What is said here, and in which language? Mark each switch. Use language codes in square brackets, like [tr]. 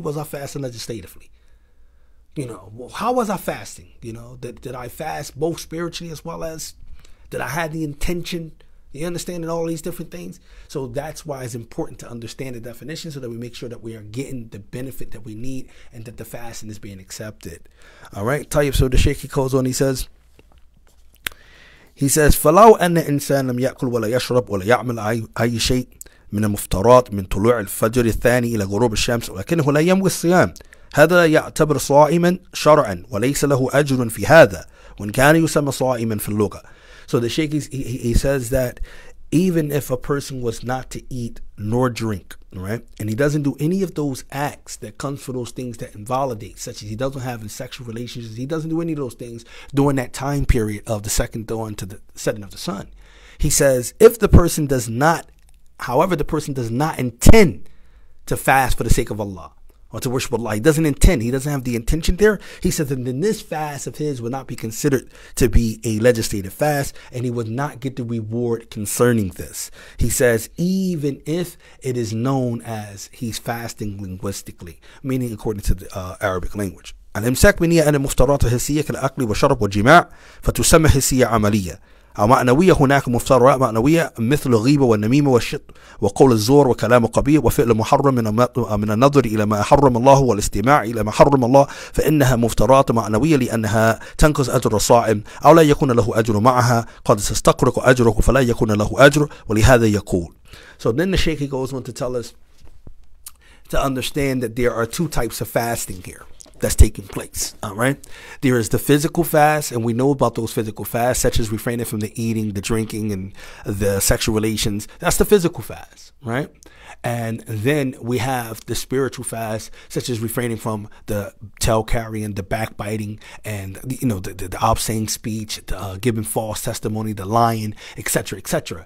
[en] Was I fasting legislatively? You know, well, how was I fasting? You know, did I fast both spiritually as well as, did I have the intention? You understand all these different things? So that's why it's important to understand the definition so that we make sure that we are getting the benefit that we need and that the fasting is being accepted. All right, Tayyip, so the Sheikh, he calls on, he says, [ar] فَلَوْ أَنَّ إِنسَانَ لَمْ يَأْكُلْ وَلَا يَشْرَبْ وَلَا يَعْمَلْ أَيِّ شَيْءٍ مِنَ الْمُفْتَرَاتِ مِنْ طُلُوعِ الْفَجْرِ الثَّانِي إِلَى غُرُوبِ الشَّمْسِ وَلَكِنْهُ لَا يَمْوِ الصِّيَامِ هَذَا يَعْتَبِرْ صَائِمًا شَرْعًا وَلَيْسَ لَهُ أَجْرٌ فِي هَذَا وَنْ كَانَ يُسَمَّ صَائِمًا فِي اللُّغَةِ. [en] So the Sheikh, he says that even if a person was not to eat nor drink, right? And he doesn't do any of those acts that comes for those things that invalidate, such as he doesn't have in sexual relationships, he doesn't do any of those things during that time period of the second dawn to the setting of the sun. He says, if the person does not, however, the person does not intend to fast for the sake of Allah or to worship Allah, he doesn't intend, he doesn't have the intention there, he says, then this fast of his would not be considered to be a legislative fast, and he would not get the reward concerning this. He says, even if it is known as he's fasting linguistically, meaning according to the Arabic language. [ar] الامساك بنية عن المفطرات الحسية كالأكل والشرب والجماع فتسمى حسية عملية أو معنوية هناك مفترات معنوية مثل الغيبة والنميمة والشط وقول الزور وكلام قبيح وفعل محرم من النظر إلى ما حرم الله والاستماع إلى ما حرم الله فإنها مفترات معنوية لأنها تنقص أجر الصائم أو لا يكون له أجر معها قد تستقرق أجره فلا يكون له أجر ولهذا يقول. [en] So then the Sheikh goes on to tell us to understand that there are two types of fasting here that's taking place, all right? There is the physical fast, and we know about those physical fasts, such as refraining from the eating, the drinking, and the sexual relations. That's the physical fast, right? And then we have the spiritual fast, such as refraining from the tail carrying, the backbiting, and the obscene speech, the giving false testimony, the lying, etc., etc.